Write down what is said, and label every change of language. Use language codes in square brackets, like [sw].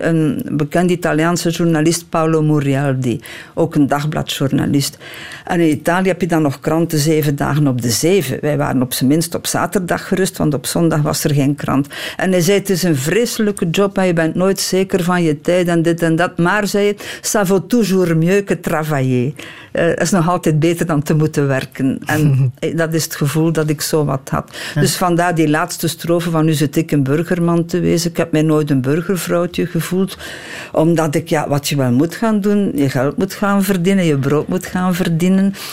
[nl] Een bekend Italiaanse journalist, Paolo Murialdi. Ook een dagbladjournalist. En in Italië heb je dan nog kranten 7 dagen op de 7. Wij waren op zijn minst op zaterdag gerust, want op zondag was er geen krant. En hij zei, het is een vreselijke job en je bent nooit zeker van je tijd en dit en dat. Maar, zei hij, [fr] ça vaut toujours mieux que travailler. [nl] Dat is nog altijd beter dan te moeten werken. En dat is het gevoel dat ik zo wat had. Ja. Dus vandaar die laatste strofe van nu zit ik een burgerman te wezen. Ik heb mij nooit een burgervrouwtje gevoeld. Omdat ik, ja, wat je wel moet gaan doen, je geld moet gaan verdienen, je brood moet gaan verdienen.